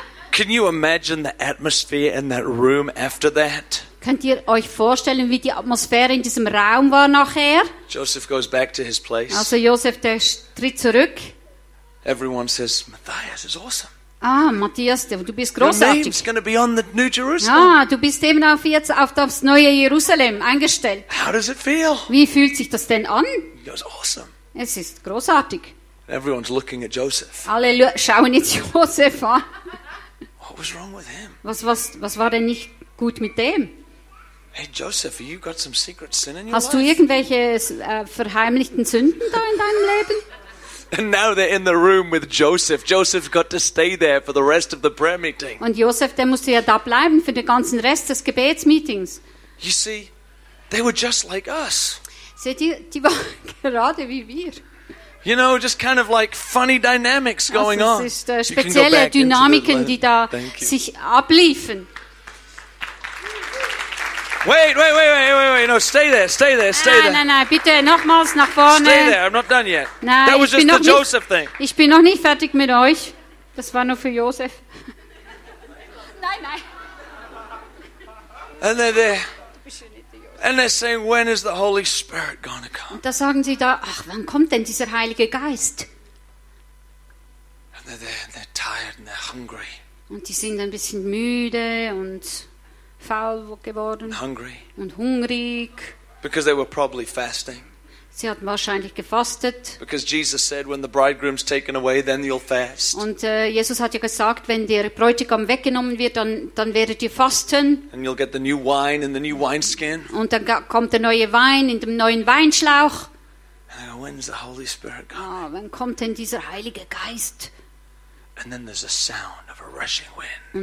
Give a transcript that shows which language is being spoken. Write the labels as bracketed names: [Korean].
[English] Can you imagine the atmosphere in that room after that? [German] Könnt ihr euch vorstellen, wie die Atmosphäre in diesem Raum war nachher? [English] Joseph goes back to his place. [German] Also Joseph, der tritt zurück. [English] Everyone says, Matthias is awesome. [German] Ah, Matthias, du bist großartig. [English] Your name's going to be on the New Jerusalem. [German] Ah, du bist eben auf jetzt auf das neue Jerusalem eingestellt. [English] How does it feel? [German] Wie fühlt sich das denn an? [English] He goes, awesome. [German] Es ist großartig. [English] Everyone's looking at Joseph. [German] Alle schauen jetzt Joseph an. [English] What was wrong with him? [German] Was war denn nicht gut mit dem? [English] Hey Joseph, you got some secret sin in your [German] life? Hast du irgendwelche verheimlichten Sünden da in deinem Leben? [English] And now they're in the room with Joseph. Joseph got to stay there for the rest of the prayer meeting. [German] Und Joseph, der musste ja da bleiben für den ganzen Rest des Gebetsmeetings. [English] You see, They were just like us. [German] Die waren gerade wie wir. [English] You know, just kind of like funny dynamics going on. [German] Es ist spezielle Dynamiken, die da sich abliefen. [English] Wait. No, stay there. [German] Nein, bitte, nochmals nach vorne. [English] Stay there, I'm not done yet. [German] Nein, [English] that was just the Joseph [German] nicht, [English] thing. [German] Ich bin noch nicht fertig mit euch. Das war nur für Josef. Nein. [English] And they're there. And they're saying, when is the Holy Spirit going to come? [German] Da sagen sie da, ach, wann kommt denn dieser Heilige Geist? [English] And they're there and they're tired and they're hungry. [German] Und die sind ein bisschen müde und faul geworden. [English] Hungry. [German] Und hungrig. [English] Because they were probably fasting. [German] Sie hatten wahrscheinlich gefastet. [English] Because Jesus said, when the bridegroom's taken away, then you'll fast. [German] Und Jesus hat ja gesagt, wenn der Bräutigam weggenommen wird, dann werdet ihr fasten. [English] And you'll get the new wine in the new wineskin. [German] Und dann kommt der neue Wein in dem neuen Weinschlauch. [English] And I go, when's the Holy Spirit coming? [German] Oh, wann kommt denn dieser Heilige Geist? [English] And then there's a sound of a rushing wind.